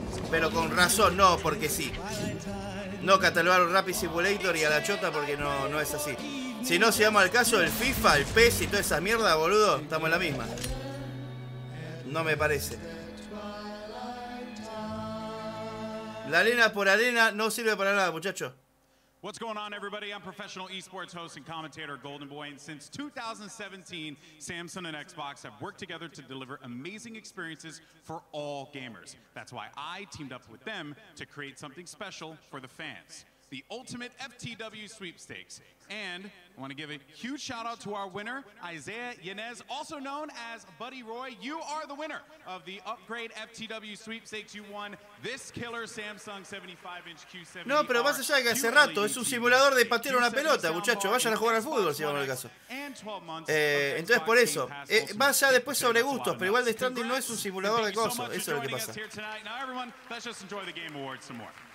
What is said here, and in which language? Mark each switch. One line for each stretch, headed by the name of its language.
Spanish: Pero con razón, no, porque sí. No catalogarlo Rapid Simulator y a la chota porque no es así. Si no, si vamos al caso, el FIFA, el PES y toda esa mierda, boludo, estamos en la misma. No me parece. La arena por arena no sirve para nada, muchacho.
English: What's going on, everybody? I'm professional esports host and commentator Golden Boy, and since 2017, Samsung and Xbox have worked together to deliver amazing experiences for all gamers. That's why I teamed up with them to create something special for the fans. The Ultimate FTW Sweepstakes. And I want to give a huge shout out to our winner, Isaiah Yanez, also known as Buddy Roy. You are the winner of the Upgrade FTW Sweepstakes. You won this killer Samsung 75-inch Q70.
Spanish: No, pero más allá de que hace rato, es un simulador de patear una pelota, muchachos. Vayan a jugar al fútbol, si vamos al caso. Entonces, por eso, va ya después sobre gustos, pero igual de Stranding no es un simulador de cosas. Eso es lo que pasa.
English: Now, everyone, let's just enjoy the Game Awards some more.